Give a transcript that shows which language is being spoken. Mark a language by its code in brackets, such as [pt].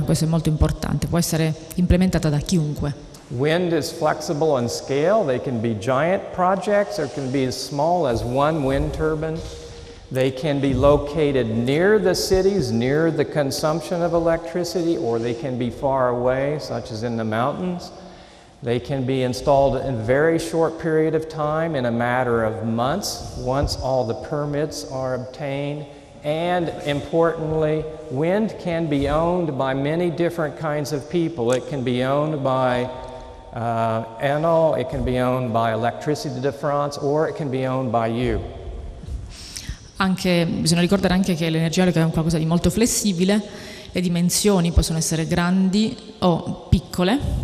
[it] Questo è molto importante, può essere implementata da chiunque. [en] Wind is flexible in scale. They can be giant projects or can be as small as one wind turbine. They can be located near the cities, near the consumption of electricity, or they can be far away, such as in the mountains. They can be installed in a very short period of time, in a matter of months, once all the permits are obtained. And importantly, wind can be owned by many different kinds of people. It can be owned by Enel, it can be owned by Electricity de France, or it can be owned by you. [it] Anche, bisogna ricordare anche che l'energia eolica è qualcosa di molto flessibile, le dimensioni possono essere grandi o piccole,